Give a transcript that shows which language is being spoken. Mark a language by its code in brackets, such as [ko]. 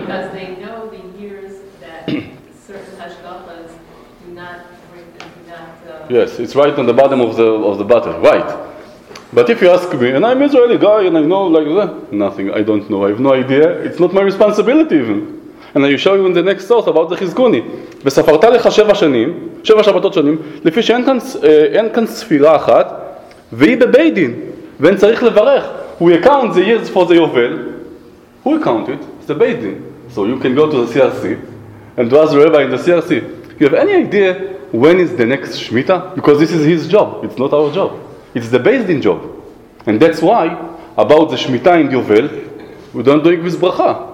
[en] Because they know the years that certain hashgachas do not bring, Yes, it's right on the bottom of the bottle, right. But if you ask me, and I'm Israeli guy, and I know, like, nothing, I don't know, I have no idea, it's not my responsibility even. And I show you in the next source about the Chizkuni. [he] וספרת לך שבע שנים, שבע שבתות שנים, לפי שאין כאן ספירה אחת, והיא בבית דין, ואין צריך לברך. [en] We account the years for the Yovel, who accounted? It's the Beit Din. So you can go to the CRC and to ask the rabbi in the CRC. You have any idea when is the next Shemitah? Because this is his job. It's not our job. It's the Beit Din job. And that's why about the Shemitah in Yovel, we don't do it with bracha.